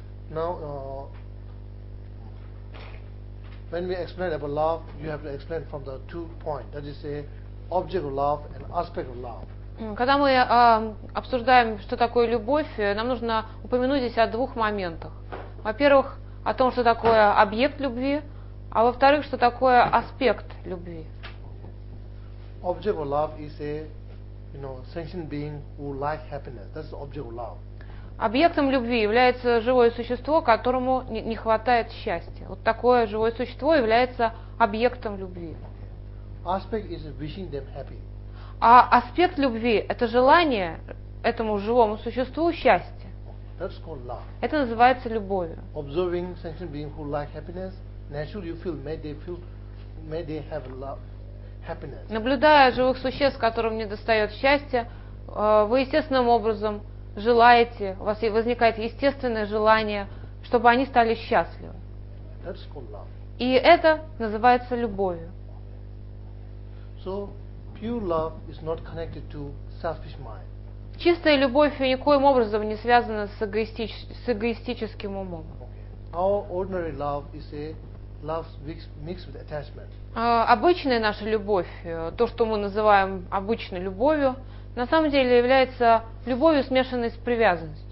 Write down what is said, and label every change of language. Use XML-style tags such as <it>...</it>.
<en>Now, when we explain about love, you have to explain from the two points. That is, a object of love and aspect of love.</en> <ru>Когда мы обсуждаем, что такое любовь, нам нужно упомянуть здесь о двух моментах. Во-первых, о том, что такое объект любви, а во-вторых, что такое аспект любви.</ru> <en>Object of love is a, sentient being who likes happiness. That's the object of love.</en> <ru>Объектом любви является живое существо, которому не хватает счастья. Вот такое живое существо является объектом любви.</ru> <en>Aspect is wishing them happy.</en> <ru>А аспект любви – это желание этому живому существу счастья.</ru> <en>That's called love.</en> <ru>Это называется любовью.</ru> <en>Observing sentient beings who like happiness, naturally you feel, may they have love, happiness.</en> <ru>Наблюдая живых существ, которым не достает счастья, вы естественным образом желаете, у вас возникает естественное желание, чтобы они стали счастливы.</ru> <en>That's called love.</en> <ru>И это называется любовью.</ru> <en>So, pure love is not connected to selfish mind.</en> <ru>Чистая любовь никоим образом не связана с эгоистическим умом.</ru> <en>Our ordinary love is a love mixed with attachment.</en> <ru>Обычная наша любовь, то, что мы называем обычной любовью, на самом деле является любовью, смешанной с привязанностью.</ru>